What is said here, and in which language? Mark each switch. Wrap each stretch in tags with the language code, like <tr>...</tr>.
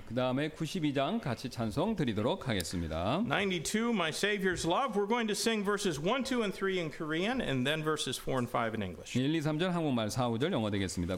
<ko>그다음에 92장 같이 찬송 드리도록 하겠습니다.</ko> <en>92, My Savior's Love. We're going to sing verses 1, 2, and 3 in Korean and then verses 4 and 5 in English.</en> <ko>1, 2, 3절 한국말, 4, 5절 영어 되겠습니다.</ko>